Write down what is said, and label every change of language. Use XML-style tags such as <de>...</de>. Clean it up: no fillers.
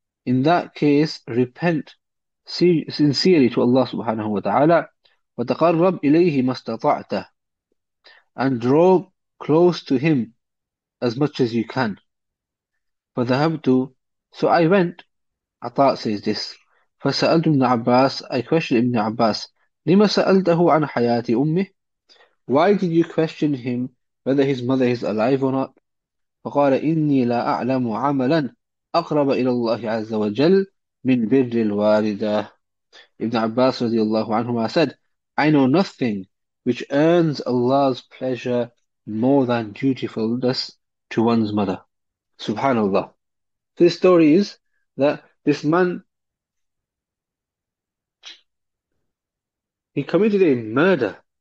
<en>In that case, repent sincerely to Allah subhanahu wa ta'ala,</en> <ar>وتقرب إليه ما استطعت,</ar> <en>and draw close to him as much as you can.</en> <ar>فذهبت,</ar> <en>so I went. عطاء says this.</en> <ar>فسألت ابن عباس,</ar> <en>I questioned</en> <ar>ابن عباس, لما سألته عن حياة أمه?</ar> <en>Why did you question him whether his mother is alive or not?</en> <ar>فقال إني لا أعلم عملا أقرب إلى الله عز وجل من بر الوالدة.</ar> <en>Ibn Abbas رضي الله عنهما said, I know nothing which earns Allah's pleasure more than dutifulness to one's mother. Subhanallah. This story is that this man, he committed a murder.</en>